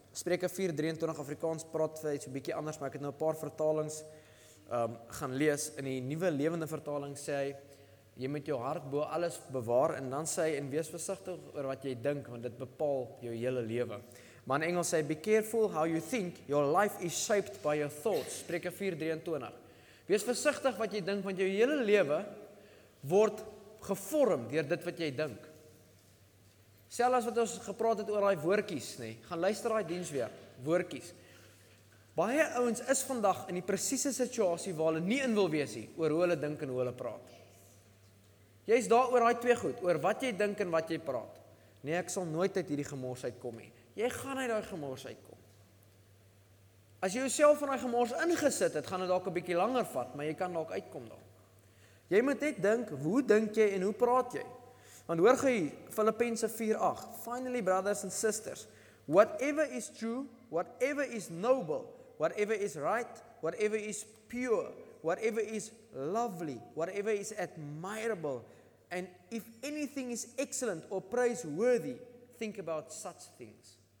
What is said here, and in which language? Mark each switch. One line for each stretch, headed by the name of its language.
Afrikaans: Spreuke 4:23 Afrikaans praat vir iets 'n bietjie anders, maar ek het nou 'n paar vertalings gaan lees. In die nuwe lewende vertaling sê hy, jy moet jou hart bo alles bewaar, en dan sê hy, en wees versigtig oor wat jy dink, want dit bepaal jou hele lewe. Maar in Engels sê,
English: be careful how you think, your life is shaped by your thoughts.
Afrikaans: Spreuke 4:23. Wees versigtig wat jy dink, want jou hele lewe word gevorm deur dit wat jy dink. Selfs wat ons gepraat het oor daai woordjies, nê, gaan luister daai diens weer, woordjies. Baie ouens is vandag in die presiese situasie waar hulle nie in wil wees nie, oor hoe hulle dink en hoe hulle praat. Jy is daar oor daai twee goed, oor wat jy dink en wat jy praat. Nee, ek sal nooit uit hierdie gemors uitkom nie. Jy gaan uit daai gemors uitkom. As jy jouself in daai gemors ingesit het, gaan dit dalk 'n bietjie langer vat, maar jy kan dalk uitkom daar. Jy moet net dink, hoe dink jy en hoe praat jy? Want hoor gij, Filippense 4:8.
English: Finally, brothers and sisters, whatever is true, whatever is noble, whatever is right, whatever is pure, whatever is lovely, whatever is admirable, and if anything is excellent or praiseworthy, think about such things.